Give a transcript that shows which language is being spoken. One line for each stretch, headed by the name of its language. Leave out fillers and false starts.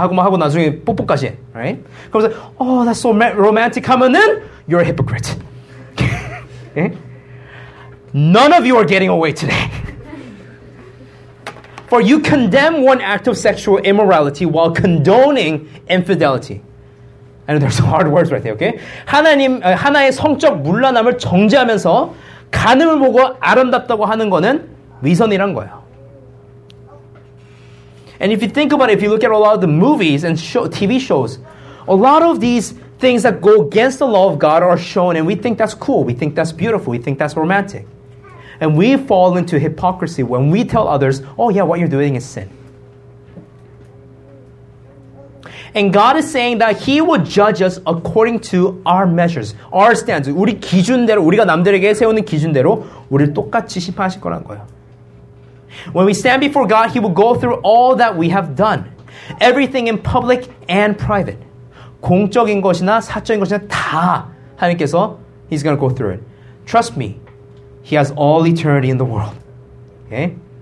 Korean: 하고 막 하고 나중에 뽀뽀까지, right?
English: 그러면서, oh, that's so romantic 하면은, you're a hypocrite. None of you are getting away today. For you condemn one act of sexual immorality while condoning infidelity. I know there's hard words right there, okay?
Korean: 하나님, 하나의 성적 문란함을 정죄하면서 간음을 보고 아름답다고 하는 거는 위선이란 거예요.
English: And if you think about it, if you look at a lot of the movies and show, TV shows, a lot of these things that go against the law of God are shown, and we think that's cool, we think that's beautiful, we think that's romantic. And we fall into hypocrisy when we tell others, oh yeah, what you're doing is sin. And God is saying that He will judge us according to our measures, our standards.
Korean: 우리 기준대로, 우리가 남들에게 세우는 기준대로 우리를 똑같이 심판하실 거란 거예요.
English: When we stand before God, He will go through all that we have done. Everything in public and private.
Korean: 공적인 것이나 사적인 것이나 다 하나님께서
English: He's going to go through it. Trust me, He has all eternity in the world. Okay?